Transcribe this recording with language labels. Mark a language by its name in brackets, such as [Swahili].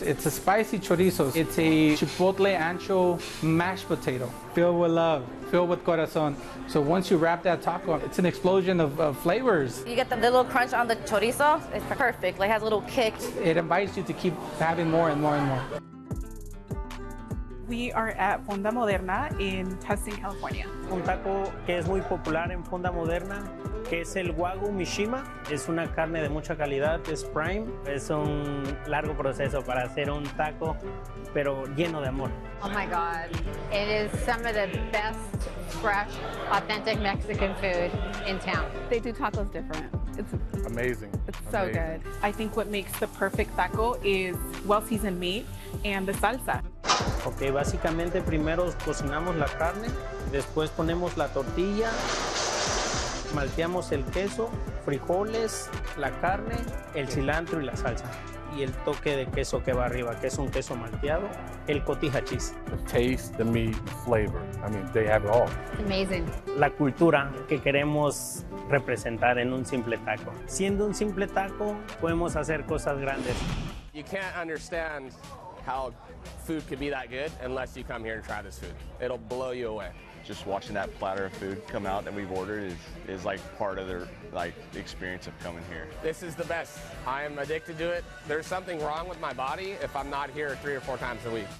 [English] It's a spicy chorizo. It's a chipotle ancho mashed potato filled with love, filled with corazon. So once you wrap that taco, it's an explosion of flavors. You get the little crunch on the chorizo. It's perfect. Like, it has a little kick. It invites you to keep having more and more and more. We are at Fonda Moderna in Tustin, California. [Spanish] Un taco que es muy popular en Fonda Moderna, que es el Wagyu Mishima. Es una carne de mucha calidad, es prime. Es un largo proceso para hacer un taco, pero lleno de amor. [English] Oh my God, it is some of the best fresh, authentic Mexican food in town. They do tacos different. It's amazing. It's amazing. So good. I think what makes the perfect taco is well-seasoned meat and the salsa. [Spanish] Okay, básicamente primero cocinamos la carne, después ponemos la tortilla, malteamos el queso, frijoles, la carne, el cilantro y la salsa. Y el toque de queso que va arriba, que es un queso malteado, el cotija cheese. [English] The taste, the meat, the flavor. I mean, they have it all. It's amazing. [Spanish] La cultura que queremos representar en un simple taco. Siendo un simple taco, podemos hacer cosas grandes. [English] You can't understand how food could be that good unless you come here and try this food. It'll blow you away. Just watching that platter of food come out that we've ordered is like part of the like experience of coming here. This is the best. I'm addicted to it. There's something wrong with my body if I'm not here 3 or 4 times a week.